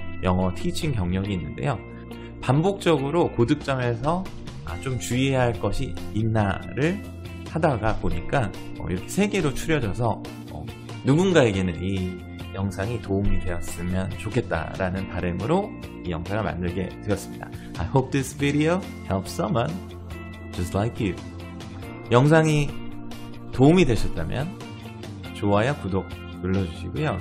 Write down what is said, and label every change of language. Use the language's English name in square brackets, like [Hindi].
[Korean] 영어 티칭 경력이 있는데요. 반복적으로 고득점에서 좀 주의해야 할 것이 있나를 하다가 보니까 이렇게 세 개로 추려져서 누군가에게는 이 영상이 도움이 되었으면 좋겠다라는 바람으로 이 영상을 만들게 되었습니다. [English] I hope this video helps someone just like you. [Korean] 영상이 도움이 되셨다면 좋아요, 구독 눌러주시고요.